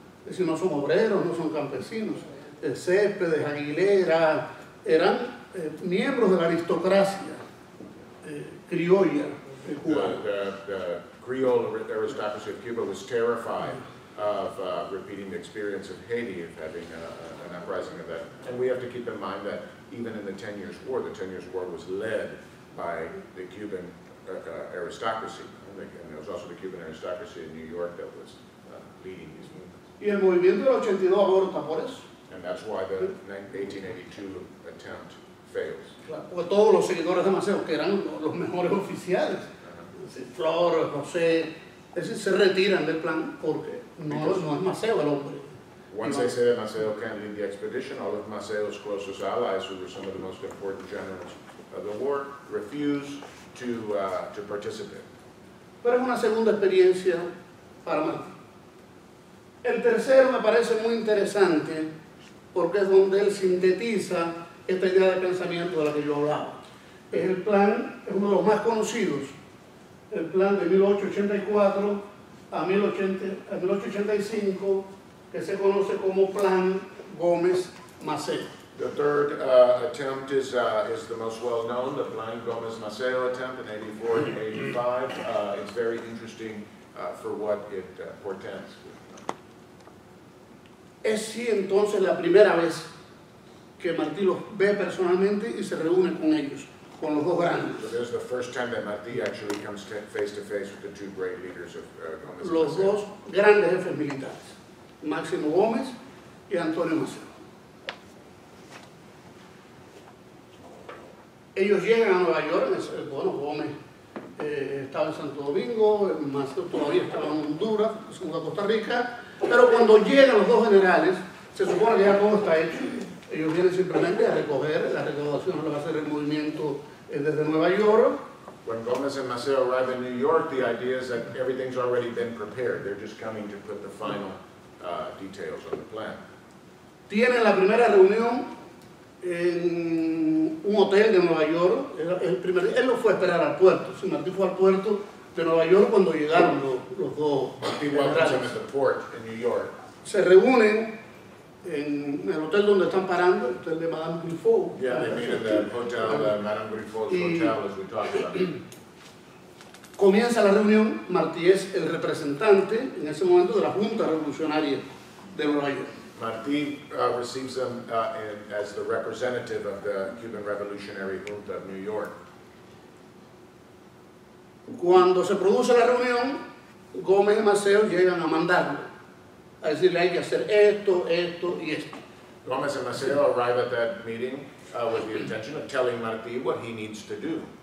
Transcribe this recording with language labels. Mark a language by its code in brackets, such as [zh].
[es] Es decir, no son obreros, no son campesinos, Céspedes, Aguilera, eran miembros de la aristocracia criolla de Cuba. [en] The Creole aristocracy of Cuba was terrified of repeating the experience of Haiti, of having an uprising of that. And we have to keep in mind that even in the Ten Years' War was led by the Cuban aristocracy. And it was also the Cuban aristocracy in New York that was leading these movements. [es] Y el movimiento del 82 aborta por eso. [en] And that's why the 1882 attempt fails. [es] Claro, porque todos los seguidores de Maceo, que eran los mejores oficiales, Flor, José, se retiran del plan porque no es Maceo el hombre. [en] Once they say that Maceo can't lead the expedition, all of Maceo's closest allies, who were some of the most important generals of the war, refuse to participate. [es] Pero es una segunda experiencia para Maceo. El tercero me parece muy interesante porque es donde él sintetiza esta idea de pensamiento de la que yo hablaba. Es el plan, es uno de los más conocidos, el plan de 1884 a 1885, que se conoce como Plan Gómez-Maceo. [en] The third attempt is the most well known, the Plan Gómez-Maceo attempt in 84 and 85. It's very interesting for what it portends. [es] Es sí entonces la primera vez que Martí los ve personalmente y se reúne con ellos, con los dos grandes. [en] So this is the first time that Martí actually comes face to face with the two great leaders of Gómez. [es] Los dos grandes jefes militares, Máximo Gómez y Antonio Maceo. Ellos llegan a Nueva York, bueno, Gómez estaba en Santo Domingo, Maceo todavía estaba en Honduras, se mudó a Costa Rica, pero cuando llegan los dos generales, se supone que ya todo está hecho. Ellos vienen simplemente a recoger, la recaudación lo va a hacer el movimiento desde Nueva York. [en] When Gómez and Maceo arrive in New York, the idea is that everything's already been prepared. They're just coming to put the final details on the plan. [es] Tienen la primera reunión en un hotel de Nueva York. Él lo fue a esperar al puerto. Sí, Martí fue al puerto de Nueva York cuando llegaron los dos. [en] Martí welcomes him at the port in New York. [es] Se reúnen en el hotel donde están parando, el hotel de Madame Griffaut. [en] Yeah, they meet at the hotel, Madame Griffaut's hotel, as we talked about. [es] Comienza la reunión, Martí es el representante en ese momento de la Junta Revolucionaria de Nueva York. [en] Martí receives them as the representative of the Cuban Revolutionary Junta of New York. [es] Cuando se produce la reunión, Gómez y Maceo llegan a mandarlo. A decirle, hay que hacer esto, esto y esto. [en] Gómez y Maceo arrive at that meeting with the intention of telling Martí what he needs to do.